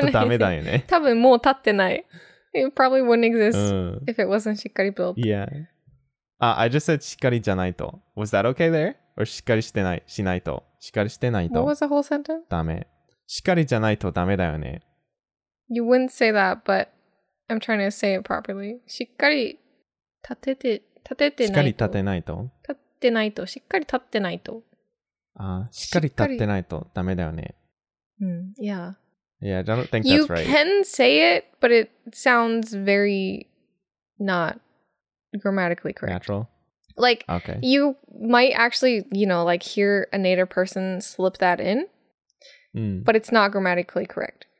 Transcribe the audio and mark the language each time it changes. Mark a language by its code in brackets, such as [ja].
[ja] ちょっとダメだよね。多分もう建ってない。 [en] It probably wouldn't exist if it wasn't しっかり built. Yeah. I just said [ja] しっかりじゃないと. [en] Was that okay there? [ja] Or しっかりしてない、しないと。しっかりしてないと。 [en] What was the whole sentence? [ja] ダメ。しっかりじゃないとダメだよね。 [en] You wouldn't say that, but I'm trying to say it properly. [ja] しっかり立てて、立ててないと。しっかり立てないと。立ってないと。しっかり立ってないと。ああ、しっかり立ってないとダメだよね。うん、Yeah. [en] Yeah, I don't think you that's right. You can say it, but it sounds very not grammatically correct. Natural? Like, okay. You might actually, you know, like hear a native person slip that in, but it's not grammatically correct.